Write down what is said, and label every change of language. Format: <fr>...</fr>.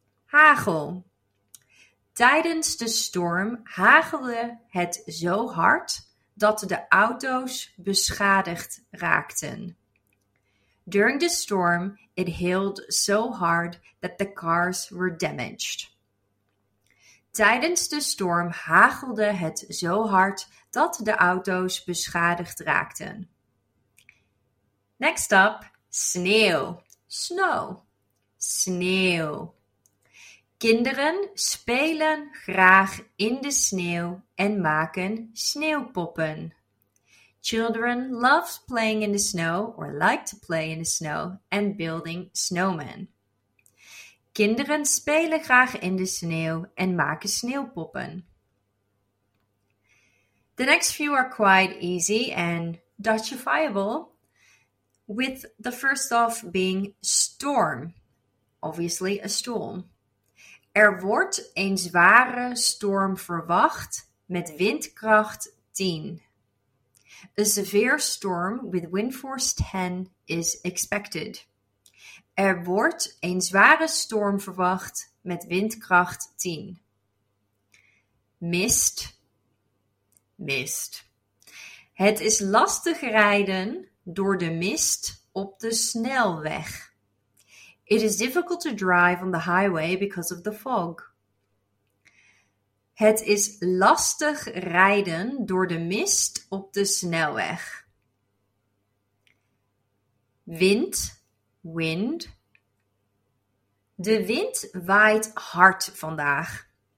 <nl>Hagel. Tijdens de storm hagelde het zo hard dat de auto's beschadigd raakten.</nl> <en>During the storm, it hailed so hard that the cars were damaged.</en> <nl>Tijdens de storm hagelde het zo hard dat de auto's beschadigd raakten.</nl> <en>Next up, sneeuw. Snow. Sneeuw.</en> <nl>Kinderen spelen graag in de sneeuw en maken sneeuwpoppen.</nl> <en>Children love playing in the snow or like to play in the snow and building snowmen.</en> <nl>Kinderen spelen graag in de sneeuw en maken sneeuwpoppen.</nl> <en>The next few are quite easy and Dutchifiable, with the first off being storm, obviously a storm.</en> <nl>Er wordt een zware storm verwacht met windkracht 10.</nl> <en>A severe storm with wind force 10 is expected.</en> <nl>Er wordt een zware storm verwacht met windkracht 10. Mist. Mist. Het is lastig rijden door de mist op de snelweg.</nl> <en>It is difficult to drive on the highway because of the fog.</en> <nl>Het is lastig rijden door de mist op de snelweg. Wind, wind. De wind waait hard vandaag.</nl>